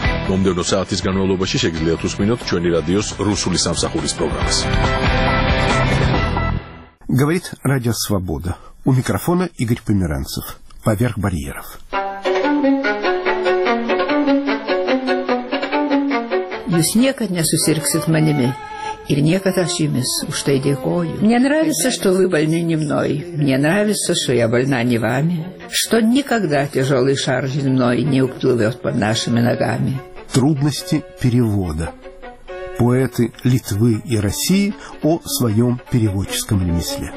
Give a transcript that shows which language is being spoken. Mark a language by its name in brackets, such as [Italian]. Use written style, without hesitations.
[Georgian] მომდევნო საათის განმავლობაში შეგიძლიათ უსმინოთ ჩვენი რადიოს რუსული სამსახურის პროგრამას. [Russian] Говорит радио Свобода. У микрофона Игорь Померанцев. Поверх барьеров. [Lithuanian] Jūs niekad nesusirgsit manimi ir niekad aš jumis už tai dėkoju. [Russian] Мне нравится, что вы больны не мной. Мне нравится, что я больна не вами. Что никогда тяжелый шар земной не уплывет под нашими ногами. Трудности перевода. Поэты Литвы и России о своем переводческом ремесле.